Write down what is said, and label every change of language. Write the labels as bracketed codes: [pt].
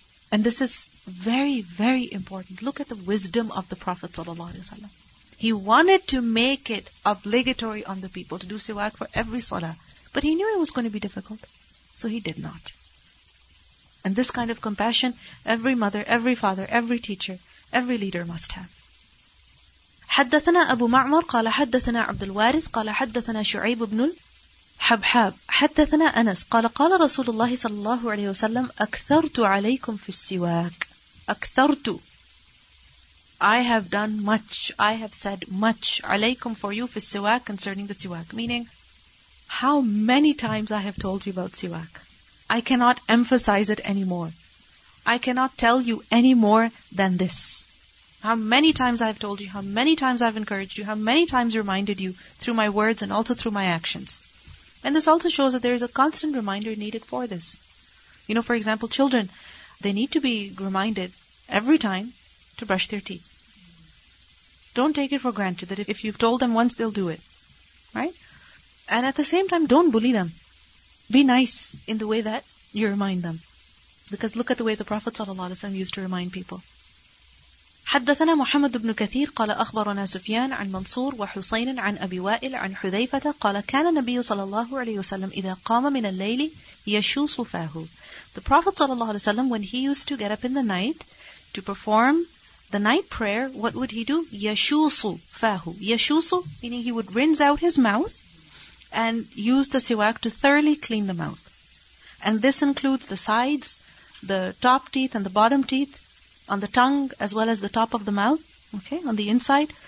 [en] And this is very, very important. Look at the wisdom of the Prophet ﷺ. He wanted to make it obligatory on the people to do siwak for every salah. But he knew it was going to be difficult. So he did not. And this kind of compassion, every mother, every father, every teacher, every leader must have. [ar] حدثنا أبو معمر قال حدثنا عبد الوارث قال حدثنا شعيب بن الحبحاب حدثنا أنس قال قال رسول الله صلى الله عليه وسلم أكثرت عليكم في السواك. [en] أكثرت, I have done much, I have said much, عليكم for you [ar] في السواك, [en] concerning the سواك, meaning how many times I have told you about سواك. I cannot emphasize it anymore. I cannot tell you any more than this. How many times I've told you, how many times I've encouraged you, how many times reminded you through my words and also through my actions. And this also shows that there is a constant reminder needed for this. You know, for example, children, they need to be reminded every time to brush their teeth. Don't take it for granted that if you've told them once, they'll do it. Right? And at the same time, don't bully them. Be nice in the way that you remind them. Because look at the way the Prophet ﷺ used to remind people. [ar] حدثنا محمد بن كثير قال أخبرنا سفيان عن منصور وحسين عن أبي وائل عن حذيفة قال كان النبي صلى الله عليه وسلم إذا قام من الليل يشو صفاه. [en] The Prophet ﷺ, when he used to get up in the night to perform the night prayer, what would he do? [ar] يشو صفاه. يشو صفاه, [en] meaning he would rinse out his mouth and use the siwak to thoroughly clean the mouth. And this includes the sides, the top teeth and the bottom teeth, on the tongue as well as the top of the mouth, okay, on the inside.